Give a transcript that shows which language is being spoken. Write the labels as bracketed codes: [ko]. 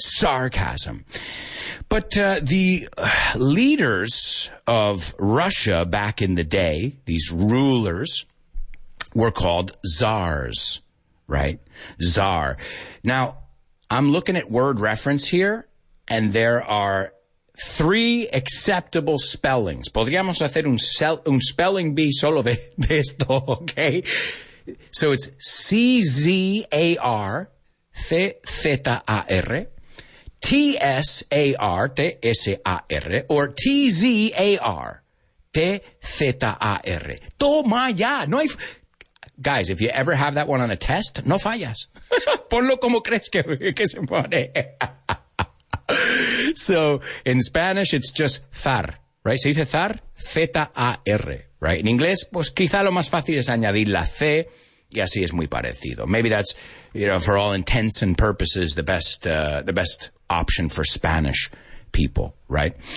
[en] Sarcasm. But the leaders of Russia back in the day, these rulers, were called czars, right? Czar. Now, I'm looking at word reference here, and there are three acceptable spellings. [es] Podríamos hacer un spelling bee solo de esto, okay? [en] So it's C-Z-A-R, C-Z-A-R, T-S-A-R, T-S-A-R, or T-Z-A-R, T-Z-A-R. [es] Toma ya, no hay... [en] Guys, if you ever have that one on a test, [es] no fallas. Ponlo como crees que se pone. [en] So, in Spanish, it's just zar, right? [es] Se dice zar, [en] Z-A-R, right? In English, [es] pues quizá lo más fácil es añadir la C, y así es muy parecido. [en] Maybe that's, you know, for all intents and purposes, the best option for Spanish people, right?